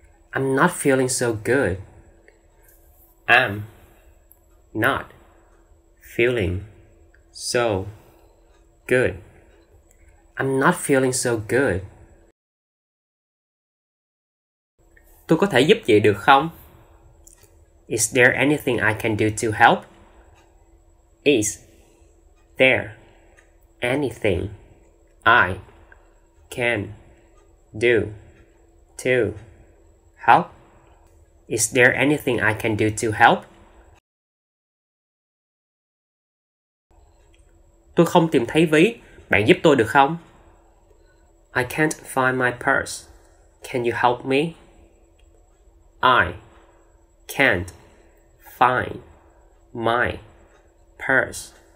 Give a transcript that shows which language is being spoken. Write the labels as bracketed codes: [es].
[en] I'm not feeling so good. I'm not feeling so good. I'm not feeling so good. [vi] Tôi có thể giúp gì được không? [en] Is there anything I can do to help? Is there anything I can do to help? Is there anything I can do to help? [vi] Tôi không tìm thấy ví, bạn giúp tôi được không? [en] I can't find my purse. Can you help me? I can't find my purse.